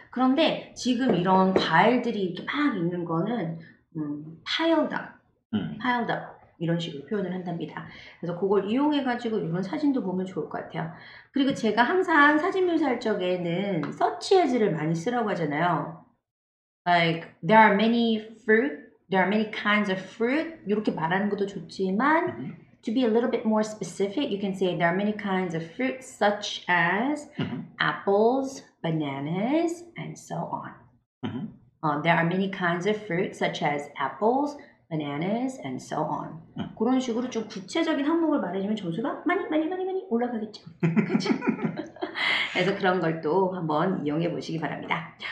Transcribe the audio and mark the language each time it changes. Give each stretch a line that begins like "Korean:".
Korean: 그런데 지금 이런 과일들이 이렇게 막 있는 거는
English: piled up. Piled up.
Korean: 이런 식으로 표현을 한답니다. 그래서 그걸 이용해가지고 이런 사진도 보면 좋을 것 같아요. 그리고 제가 항상 사진 묘사할 적에는 such as를 많이 쓰라고 하잖아요.
English: Like, there are many fruit, there are many kinds of fruit.
Korean: 이렇게 말하는 것도 좋지만,
English: to be a little bit more specific, you can say there are many kinds of fruit such as apples, bananas, and so on. There are many kinds of fruit such as apples, bananas, and so on.
Korean: 그런 식으로 좀 구체적인 항목을 말해주면 점수가 많이 올라가겠죠. 그렇죠? 그래서 그런 걸 또 한번 이용해 보시기 바랍니다.